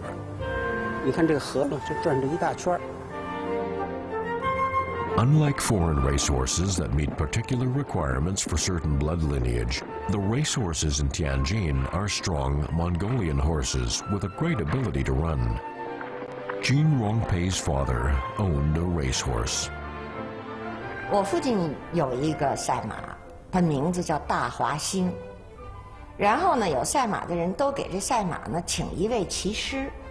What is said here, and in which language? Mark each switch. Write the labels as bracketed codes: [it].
[zh] 我记得好像这个赛马场这一圈啊，大概有，当时是3000马。当时我看这个骑马的时候，特别有意思是什么？他们基本是跪在这个马鞍子上，跪着马鞍上跑。他这个跑马呢，是按着这个逆时针的方向，上那边。你看这个河嘛，就转着一大圈。 [en] Unlike foreign racehorses that meet particular requirements for certain blood lineage, the racehorses in Tianjin are strong Mongolian horses with a great ability to run. Jin Rongpei's father owned a racehorse. [zh] 我附近有一个赛马，它名字叫大华星。然后呢，有赛马的人都给这赛马呢请一位骑师。